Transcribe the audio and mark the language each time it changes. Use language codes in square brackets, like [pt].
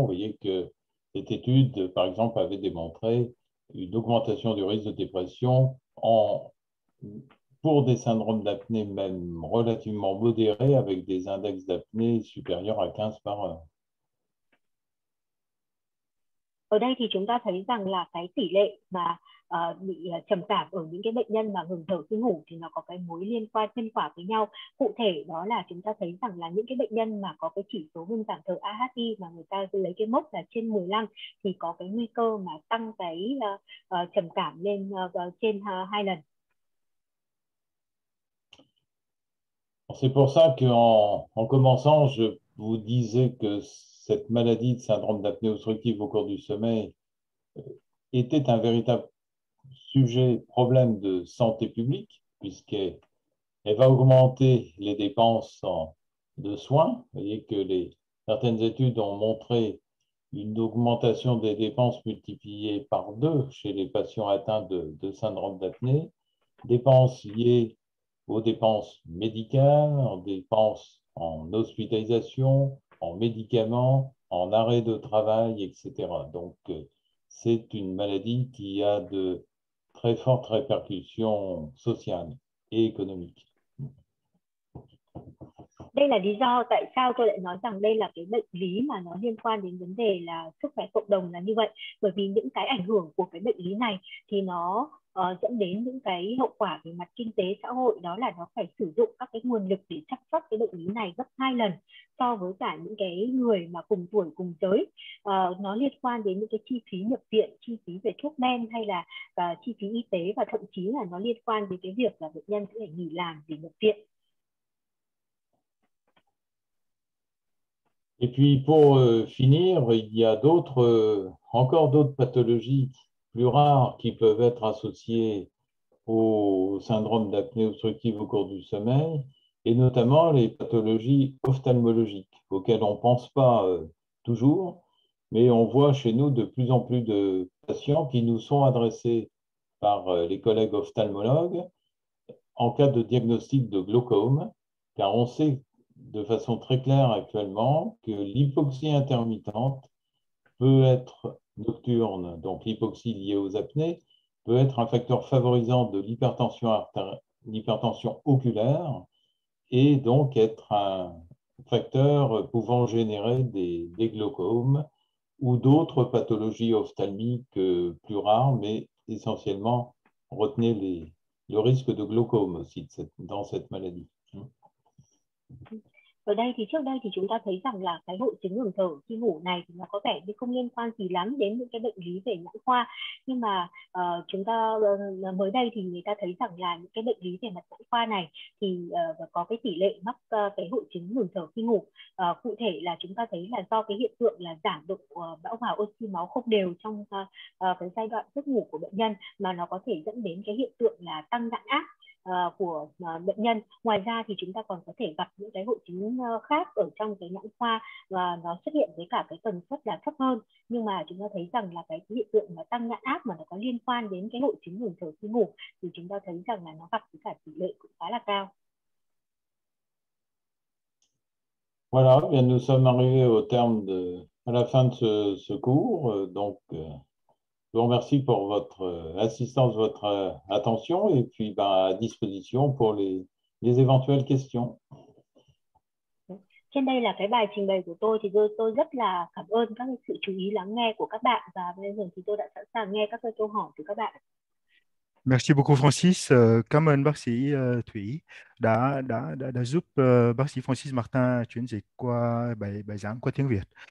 [fr] Vous voyez que cette étude, par exemple, avait démontré une augmentation du risque de dépression pour des syndromes d'apnée même relativement modérés avec des index d'apnée supérieurs à 15 par heure. [vi] Ở đây thì chúng ta thấy rằng là cái tỷ lệ mà bị trầm cảm ở những cái bệnh nhân mà ngừng thở khi ngủ thì nó có cái mối liên quan nhân quả với nhau. Cụ thể đó là chúng ta thấy rằng là những cái bệnh nhân mà có cái chỉ số ngưng giảm thở AHI mà người ta lấy cái mốc là trên 15 thì có cái nguy cơ mà tăng cái trầm cảm lên trên 2 lần. [fr] C'est pour ça qu'en commençant, je vous disais que cette maladie de syndrome d'apnée obstructive au cours du sommeil était un véritable sujet problème de santé publique, puisqu'elle va augmenter les dépenses de soins. Vous voyez que certaines études ont montré une augmentation des dépenses multipliées par 2 chez les patients atteints de syndrome d'apnée, dépenses liées aux dépenses médicales, aux dépenses en hospitalisation, en médicaments, en arrêt de travail, etc. Donc, c'est une maladie qui a de très fortes répercussions sociales et économiques. [vi] Đây là lý do tại sao tôi lại nói rằng đây là cái bệnh lý mà nó liên quan đến vấn đề là sức khỏe cộng đồng là như vậy. Bởi vì những cái ảnh hưởng của cái bệnh lý này thì nó dẫn đến những cái hậu quả về mặt kinh tế xã hội, đó là nó phải sử dụng các cái nguồn lực để chăm sóc cái bệnh lý này gấp 2 lần so với cả những cái người mà cùng tuổi cùng giới. Nó liên quan đến những cái chi phí nhập viện, chi phí về thuốc men hay là chi phí y tế, và thậm chí là nó liên quan đến cái việc là bệnh nhân sẽ phải nghỉ làm để nhập viện. [fr] Et puis pour finir, il y a d'autres, encore d'autres pathologies plus rares qui peuvent être associées au syndrome d'apnée obstructive au cours du sommeil, et notamment les pathologies ophtalmologiques, auxquelles on ne pense pas toujours, mais on voit chez nous de plus en plus de patients qui nous sont adressés par les collègues ophtalmologues en cas de diagnostic de glaucome, car on sait de façon très claire actuellement que l'hypoxie intermittente peut être nocturne, donc l'hypoxie liée aux apnées peut être un facteur favorisant de l'hypertension oculaire et donc être un facteur pouvant générer des glaucomes ou d'autres pathologies ophtalmiques plus rares, mais essentiellement retenez le risque de glaucome aussi dans cette maladie. [vi] Ở đây thì trước đây thì chúng ta thấy rằng là cái hội chứng ngừng thở khi ngủ này thì nó có vẻ như không liên quan gì lắm đến những cái bệnh lý về nhãn khoa, nhưng mà chúng ta mới đây thì người ta thấy rằng là những cái bệnh lý về mặt nhãn khoa này thì có cái tỷ lệ mắc cái hội chứng ngừng thở khi ngủ. Cụ thể là chúng ta thấy là do cái hiện tượng là giảm độ bão hòa oxy máu không đều trong cái giai đoạn giấc ngủ của bệnh nhân, mà nó có thể dẫn đến cái hiện tượng là tăng giãn áp của bệnh nhân. Ngoài ra thì chúng ta còn có thể gặp những cái hội chứng khác ở trong cái nhãn khoa và nó xuất hiện với cả cái tần suất là thấp hơn, nhưng mà chúng ta thấy rằng là cái hiện tượng mà tăng nhãn áp mà nó có liên quan đến cái hội chứng ngừng thở khi ngủ thì chúng ta thấy rằng là nó gặp với cả tỷ lệ cũng khá là cao. [fr] Voilà, bien nous sommes arrivés au terme de à la fin de ce cours, donc je vous remercie pour votre assistance, votre attention, et puis ben, à disposition pour les éventuelles questions. [vi] Trên đây là cái bài trình bày của tôi, thì tôi rất là cảm ơn các sự chú ý lắng nghe của các bạn, và bây giờ thì tôi đã sẵn sàng nghe các câu hỏi từ các bạn. [fr] Merci beaucoup Francis, [vi] cảm ơn bác sĩ Thủy đã giúp bác sĩ Francis Martin chuyển dịch qua bài giảng qua tiếng Việt.